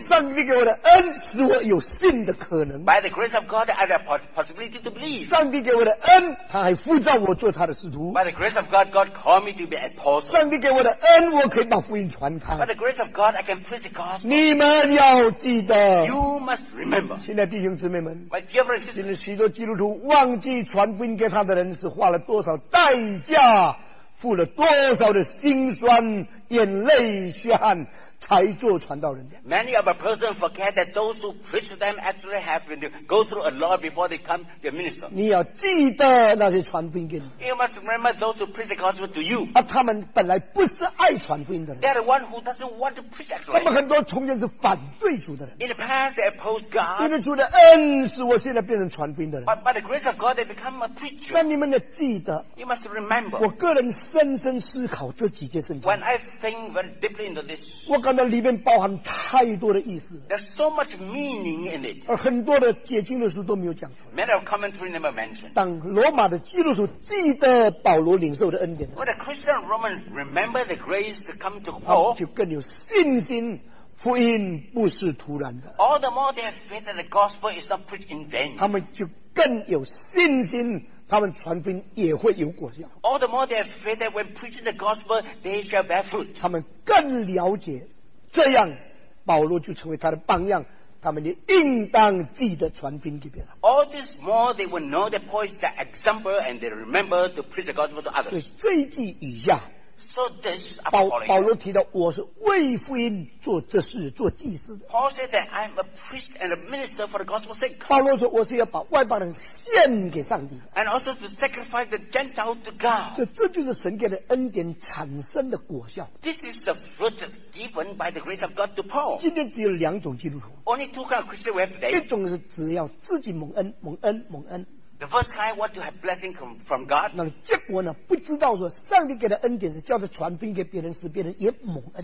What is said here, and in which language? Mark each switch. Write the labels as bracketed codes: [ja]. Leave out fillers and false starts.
[zh] 上帝给我的恩,使我有信的可能。 [en] By the grace of God, I have the possibility to believe. [zh] 上帝给我的恩,他还呼召我做他的使徒。 [en] By the grace of God, God called me to be an apostle. [zh] 上帝给我的恩,我可以把福音传开。 [en] By the grace of God, I can preach the gospel. [zh] 你们要记得。 [en] You must remember. [zh] 亲爱的弟兄姊妹们。 [en] My dear brothers and sisters. [zh] 今天许多基督徒忘记传福音给他的人是花了多少代价，付了多少的辛酸、眼泪、血汗，才做传道人的。 [en] Many of a person forget that those who preach to them actually have been to go through a lot before they come to minister. [zh] 你要记得那些传福音给你。 [en] You must remember those who preach the gospel to you. [zh] 啊，他们本来不是爱传福音的人。 [en] They are the one who doesn't want to preach actually. [zh] 他们很多从前是反对主的人。 [en] In the past, they opposed God. [zh] 因为主的恩使我现在变成传福音的人。 [en] But by the grace of God, they become a preacher. [zh] 那你们要记得。 [en] You must remember. [zh] 我个人深深思考这几节圣经。 [en] When I think very deeply into this. [zh] 我刚那里面包含太多的意思 [en] There's so much meaning in it. [zh] 而很多的解经的书都没有讲出来 [en] Many of commentary never mentioned. [zh] 当罗马的基督徒记得保罗领受的恩典 [en] When a Christian Roman remember the grace to come to Paul [zh] 就更有信心福音不是突然的 [en] All the more they have faith that the gospel is not preached in vain [zh] 他们就更有信心他们传福音也会有果效 [en] All the more they have faith that when preaching the gospel they shall bear fruit [zh] 他们更了解这样保罗就成为他的榜样他们也应当记得传福音给别人 [en] All this more they will know that Paul is the example and they remember to preach the gospel to others [zh] 所以这一句以下 [en] So this [zh] 保罗提到我是为福音做这事做祭司 [en] Paul said that I'm a priest and a minister for the gospel's sake [zh] 保罗说我是要把外邦人献给上帝 [en] And also to sacrifice the Gentile to God [zh] 所以这就是神给的恩典产生的果效 [en] This is the fruit ofgiven by the grace of God to Paul. [zh] 今天只有两种基督徒。 [en] Only two kinds of Christians we have today. [zh] 一种是只要自己蒙恩，蒙恩，蒙恩。 [en] The first kind want to have blessing from God. [zh] 那结果呢？不知道说上帝给的恩典是叫他传福音给别人，使别人也蒙恩。